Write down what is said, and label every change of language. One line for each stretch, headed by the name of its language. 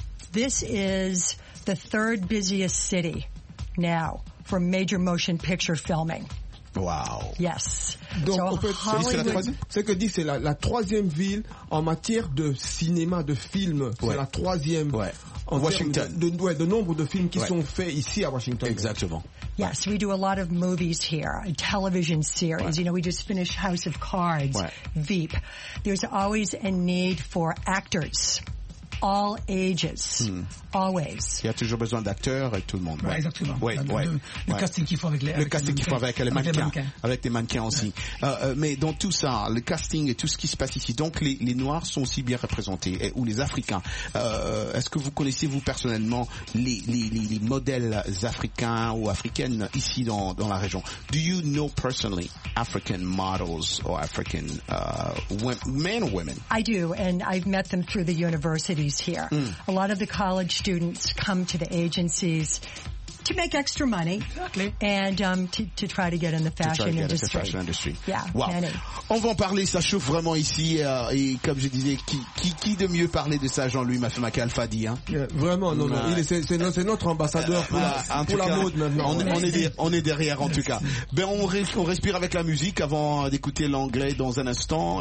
English: This is the third busiest city now for major motion picture filming. Wow. Yes.
French: Donc, so, fait, Hollywood... c'est, la troisième, c'est que dit, c'est la troisième ville en matière de cinéma, de film. Ouais. C'est la troisième. Ouais. Washington. De nombre de films qui sont faits ici à Washington. Exactement.
English: Yes, we do a lot of movies here, television series. Ouais. You know, we just finished House of Cards, Veep. There's always a need for actors. All ages, always.
French: Il y a toujours besoin d'acteurs et tout le monde. Ouais, exactement. Ouais. Le casting qu'il faut avec les mannequins aussi. Ouais. Mais dans tout ça, le casting et tout ce qui se passe ici, donc les Noirs sont aussi bien représentés, ou les Africains. Est-ce que vous connaissez, vous, personnellement, les modèles africains ou africaines ici dans la région?
English: Do you know personally African models or African men or women? I do, and I've met them through the university. Here. Mm. A lot of the college students come to the agencies to make extra money and to try to get in the fashion industry. The fashion industry. Yeah, wow. Many.
French: On va en parler, ça chauffe vraiment ici. Et comme je disais, qui de mieux parler de ça, Jean-Louis Mafemake Alpha Di, hein? Vraiment, non. C'est notre ambassadeur pour la mode maintenant. On est derrière, en tout cas. Ben, on respire avec la musique avant d'écouter l'anglais dans un instant.